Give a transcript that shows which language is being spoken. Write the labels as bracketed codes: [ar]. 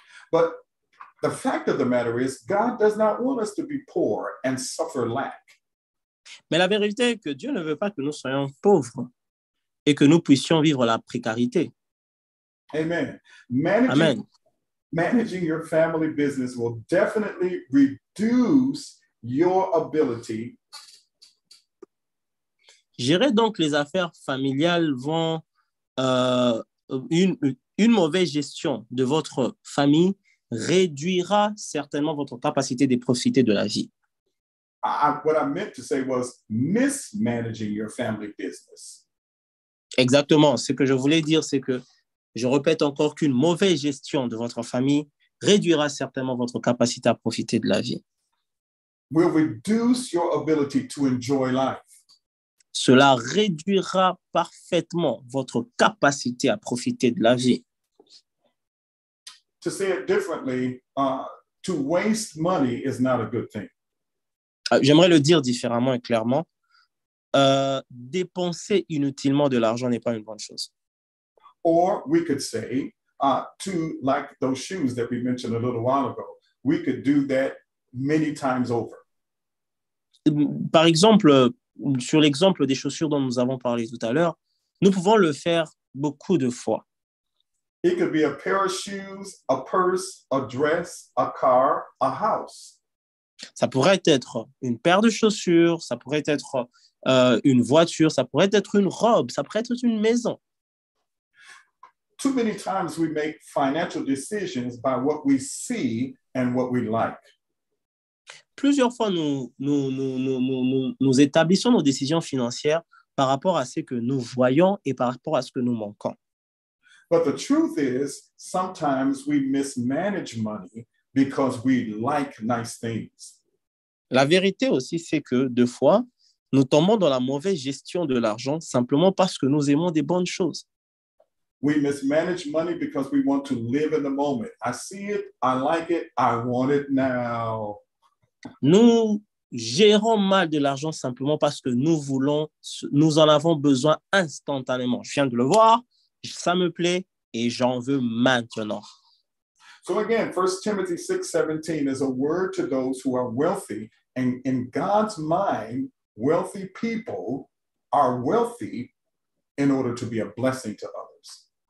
[en] But the fact of the matter is, God does not want us to be poor and suffer lack. [fr] Mais la vérité est que Dieu ne veut pas que nous soyons pauvres et que nous puissions vivre la précarité. [en] Amen. Managing your family business will definitely reduce your ability. [fr] Gérer donc les affaires familiales vont une mauvaise gestion de votre famille réduira certainement votre capacité de profiter de la vie. [en] What I meant to say was mismanaging your family business. [fr] Exactement, ce que je voulais dire c'est que je répète encore qu'une mauvaise gestion de votre famille réduira certainement votre capacité à profiter de la vie. [en] Will reduce your ability to enjoy life. [fr] Cela réduira parfaitement votre capacité à profiter de la vie. [en] To say it differently, to waste money is not a good thing. [fr] J'aimerais le dire différemment et clairement. Dépenser inutilement de l'argent n'est pas une bonne chose. [en] Or we could say, to like those shoes that we mentioned a little while ago, we could do that many times over. [fr] Par exemple, sur l'exemple des chaussures dont nous avons parlé tout à l'heure, nous pouvons le faire beaucoup de fois. [en] It could be a pair of shoes, a purse, a dress, a car, a house. [fr] Ça pourrait être une paire de chaussures, ça pourrait être une voiture, ça pourrait être une robe, ça pourrait être une maison. [en] Too many times we make financial decisions by what we see and what we like. [fr] Plusieurs fois, nous établissons nos décisions financières par rapport à ce que nous voyons et par rapport à ce que nous manquons. [en] But the truth is, sometimes we mismanage money because we like nice things. [fr] La vérité aussi, c'est que deux fois, nous tombons dans la mauvaise gestion de l'argent simplement parce que nous aimons des bonnes choses. [en] We mismanage money because we want to live in the moment. I see it, I like it, I want it now. [fr] Nous gérons mal de l'argent simplement parce que nous voulons, nous en avons besoin instantanément. Je viens de le voir, ça me plaît et j'en veux maintenant. [en] So again, 1 Timothy 6:17 is a word to those who are wealthy, and in God's mind, wealthy people are wealthy in order to be a blessing to others.